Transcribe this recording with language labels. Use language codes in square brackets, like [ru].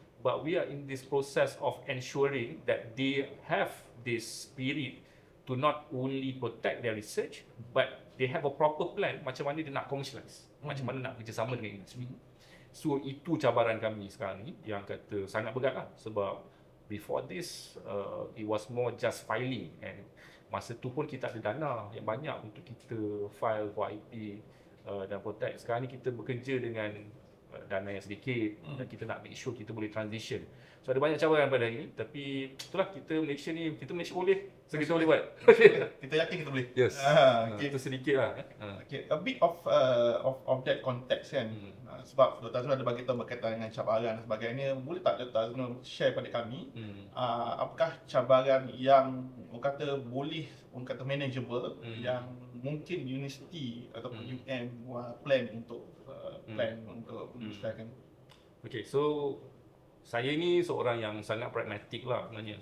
[en] But we are in this process of ensuring that they have this spirit to not only protect their research, but they have a proper plan [ms] macam mana dia nak commercialize, macam mana nak kerjasama dengan industry. So itu cabaran kami sekarang ni, yang kata sangat berat lah. Sebab [en] before this, it was more just filing, and [ms] masa tu pun kita ada dana yang banyak untuk kita [en] file for IP [ms] dan protect. Sekarang ni kita bekerja dengan dana yang sedikit dan kita nak [en] make sure [ms] kita boleh transition. So ada banyak cabaran pada ini, tapi itulah, kita Malaysia ni, kita Malaysia boleh. So kita boleh buat. Kita yakin kita boleh. Yes. Okay. Itu sedikit lah. [en] Okay. A bit of of that context kan. [ms] Sebab Dr. Azrul ada bagi tahu berkaitan dengan cabaran dan sebagainya. Boleh tak Dr. Azrul share pada kami apakah cabaran yang orang kata boleh, orang kata manageable yang mungkin universiti ataupun UM plan untuk menyelesaikan. Okay, so saya ni seorang yang sangat pragmatik lah sebenarnya.